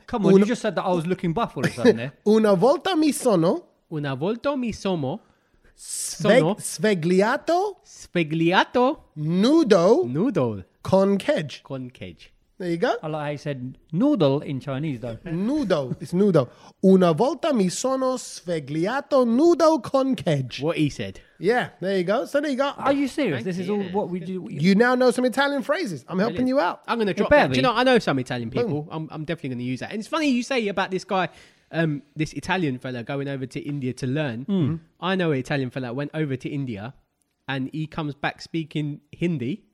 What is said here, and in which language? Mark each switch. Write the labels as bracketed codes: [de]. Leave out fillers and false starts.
[en] Come on, you just said that I was looking buff all of a sudden there. [it] Una volta mi sono. Una volta mi sono. Svegliato. Svegliato. Nudo. Nudo. Con cage. Con cage. [en] There you go. I like how you said noodle in Chinese, though. Nudo. It's nudo. [it] Una volta mi sono svegliato nudo con cage. [en] What he said. Yeah, there you go. So there you go. Are you serious? Thank this you. Is all what we do. You now know some Italian phrases. I'm helping you out. I'm going to drop it. You know, I know some Italian people. I'm definitely going to use that. And it's funny you say about this guy, this Italian fella going over to India to learn. Mm. I know an Italian fella went over to India and he comes back speaking Hindi.